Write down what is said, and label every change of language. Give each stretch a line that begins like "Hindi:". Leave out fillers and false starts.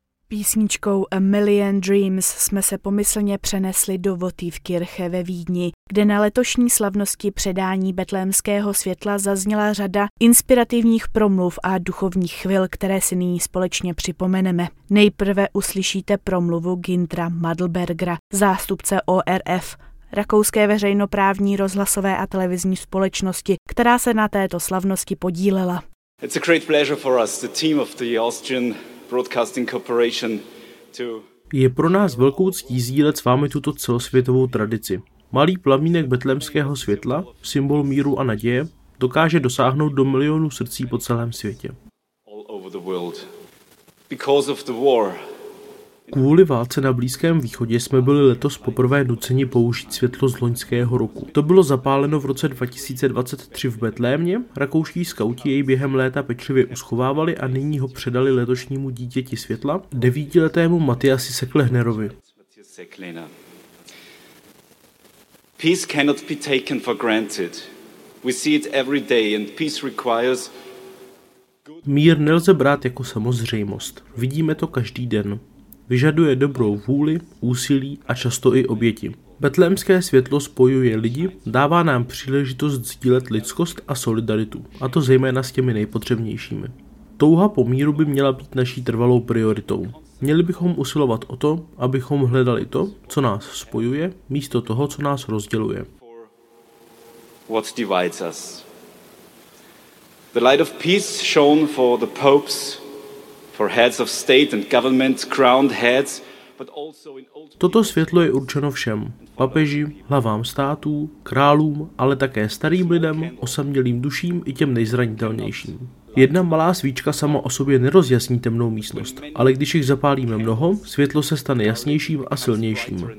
Czech: Písničkou A Million Dreams jsme se pomyslně přenesli do Votivkirche ve Vídni, kde na letošní slavnosti předání betlémského světla zazněla řada inspirativních promluv a duchovních chvil, které si nyní společně připomeneme. Nejprve uslyšíte promluvu Gintra Madlbergera, zástupce ORF, rakouské veřejnoprávní rozhlasové a televizní společnosti, která se na této slavnosti podílela.
English: It's a great pleasure for us, the team of the Austrian Broadcasting Corporation, to...
Czech: Je pro nás velkou ctí sdílet s vámi tuto celosvětovou tradici. Malý plamínek betlémského světla, symbol míru a naděje, dokáže dosáhnout do milionů srdcí po celém světě. Kvůli válce na Blízkém východě jsme byli letos poprvé nuceni použít světlo z loňského roku. To bylo zapáleno v roce 2023 v Betlémě, rakouští skauti jej během léta pečlivě uschovávali a nyní ho předali letošnímu dítěti světla, 9letému Matiasi Seklehnerovi.
English: Peace cannot be taken for granted. We see it every day and peace requires...
Czech: Mír nelze brát jako samozřejmost. Vidíme to každý den. Vyžaduje dobrou vůli, úsilí a často i oběti. Betlémské světlo spojuje lidi, dává nám příležitost sdílet lidskost a solidaritu, a to zejména s těmi nejpotřebnějšími. Touha po míru by měla být naší trvalou prioritou. Měli bychom usilovat o to, abychom hledali to, co nás spojuje, místo toho, co nás rozděluje.
English: What divides us? The light of peace shone for the popes, for heads of state and government, crowned heads.
Czech: Toto světlo je určeno všem, papeži, hlavám států, králům, ale také starým lidem, osamělým duším i těm nejzranitelnějším. Jedna malá svíčka sama o sobě nerozjasní temnou místnost, ale když jich zapálíme mnoho, světlo se stane jasnějším a silnějším.